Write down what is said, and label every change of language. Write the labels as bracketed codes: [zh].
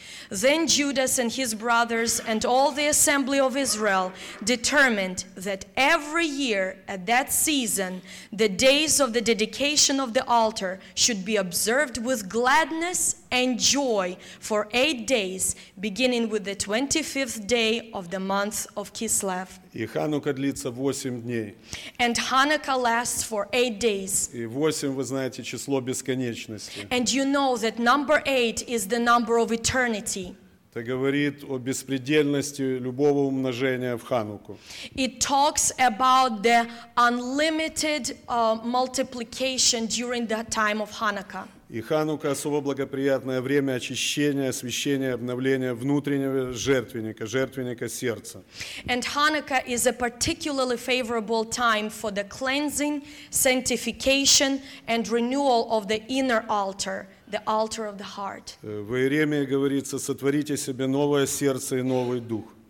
[en] Then Judas and his brothers and all the assembly of Israel determined that every year at that season, the days of the dedication of the altar should be observed with gladness and joy for 8 days, beginning with the 25th day of the month of Kislev. [ru] И Ханука длится 8 дней. [en] And Hanukkah lasts for 8 days. [ru] И 8, вы знаете, число бесконечности. [en] And you know that number 8 is the number of eternity. [ru] Это говорит о беспредельности любого умножения в Хануку. [en] It talks about the unlimited multiplication during the time of Hanukkah. [ru] И Ханука особо благоприятное время очищения, освящения, обновления внутреннего жертвенника, жертвенника сердца. [en] And Hanukkah is a particularly favorable time for the cleansing, sanctification and renewal of the inner altar, the altar of the heart. [ru] В Иеремии говорится: сотворите себе новое сердце и новый дух.